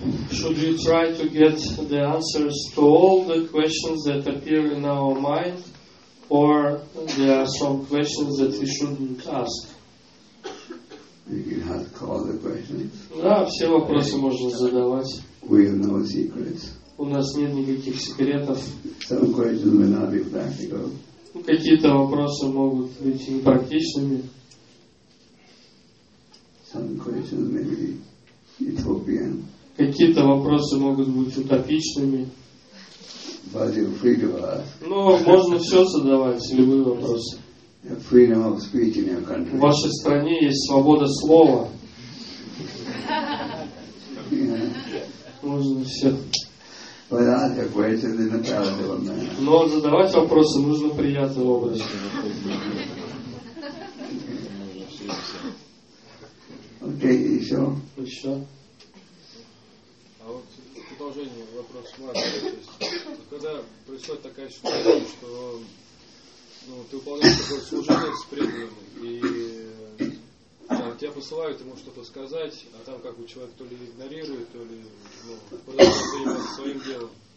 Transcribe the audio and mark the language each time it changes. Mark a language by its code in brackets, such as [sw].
[en] Should we try to get the answers to all the questions that appear in our mind, or there are some questions that we shouldn't ask. You can ask all the questions. [ru] Да, все вопросы можно задавать. [en] We have no secrets. [ru] У нас нет никаких секретов. [en] Some questions may not be practical. [ru] Какие-то вопросы могут быть непрактичными. [en] Some questions may be utopian. [ru] Какие-то вопросы могут быть утопичными. [en] But you're free to ask. [ru] Но можно все задавать, любые вопросы. [en] Freedom of speech in your country. [ru] В вашей стране есть свобода слова. Можно все. [en] But ask a question in a palatable manner. [ru] Но задавать вопросы нужно приятным образом. Окей, еще. Еще. А вот продолжение вопроса Марка. Когда происходит такая ситуация, что ты выполняешь какое-то служение с преданным, и тебя посылают ему что-то сказать, а там как бы человек то ли игнорирует, то ли продолжает заниматься своим делом.